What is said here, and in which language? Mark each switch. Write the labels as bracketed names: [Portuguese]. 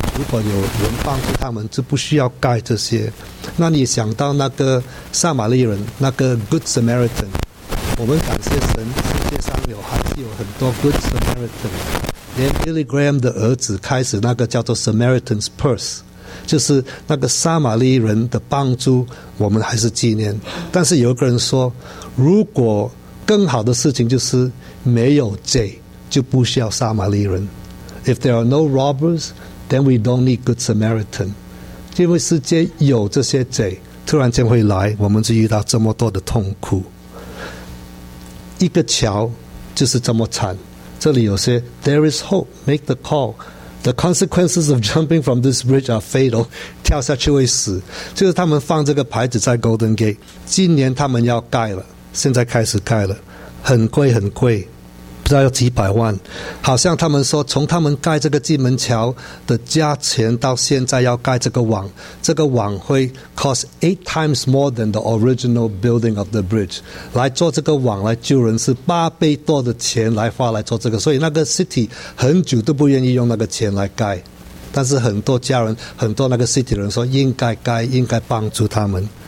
[Chinese] 如果有人帮助他们就不需要盖这些。那你想到那个撒玛利人，那个 Good Samaritan， 我们感谢神世界上还是有很多 Good Samaritan， 连 Billy Graham 的儿子开始那个叫做 Samaritan's Purse， 就是那个撒玛利人的帮助我们还是纪念。但是有一个人说，如果更好的事情就是没有罪就不需要撒玛利人。 [English] If there are no robbers, then we don't need good Samaritan. [Chinese] 因为世界有这些贼，突然间会来，我们就遇到这么多的痛苦。一个桥就是这么惨。这里有些 [English] There is hope, make the call. The consequences of jumping from this bridge are fatal. [Chinese] 跳下去会死。就是他们放这个牌子在 Golden Gate， 今年他们要盖了，现在开始盖了，很贵很贵。不知道要几百万，好像他们说从他们盖这个金门桥的价钱到现在要盖这个网会 [English] cost 8 times more than the original building of the bridge， [Chinese] 来做这个网来救人是八倍多的钱来花来做这个，所以那个 city 很久都不愿意用那个钱来盖，但是很多家人很多那个 city 人说应该盖，应该帮助他们。